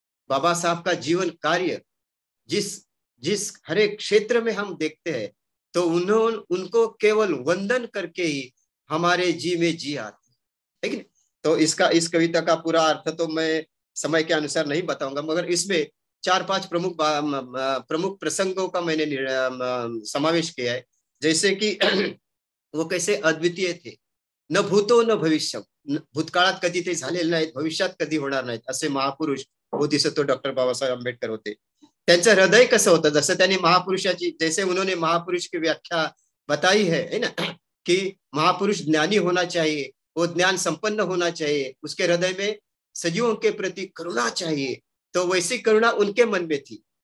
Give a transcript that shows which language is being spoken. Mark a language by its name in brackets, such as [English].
[Hindi] बाबा साहब का जीवन कार्य जिस हर एक क्षेत्र में हम देखते हैं तो उन्होंने उनको केवल वंदन करके ही हमारे जी में जी आते हैं। लेकिन तो इसका इस कविता का पूरा अर्थ तो मैं समय के अनुसार नहीं बताऊंगा, मगर इसमें चार पांच प्रमुख प्रसंगों का मैंने समावेश किया है। जैसे कि वो कैसे अद्वितीय थे, [Sanskrit] न भूतो न भविष्य, [Marathi] भूतकाळात कधी ते झालेले नाहीत, भविष्यात कधी होणार नाहीत असे महापुरुष बोधिसत्व डॉक्टर बाबासाहेब आंबेडकर होते। त्यांचं हृदय कसं होतं, जसं त्यांनी महापुरुषाची [Hindi] जैसे उन्होंने महापुरुष की व्याख्या बताई है ना कि महापुरुष ज्ञानी होना चाहिए, वो ज्ञान संपन्न होना चाहिए, उसके हृदय में सजीवों के प्रति करुणा चाहिए, तो वैसी करुणा उनके मन में थी।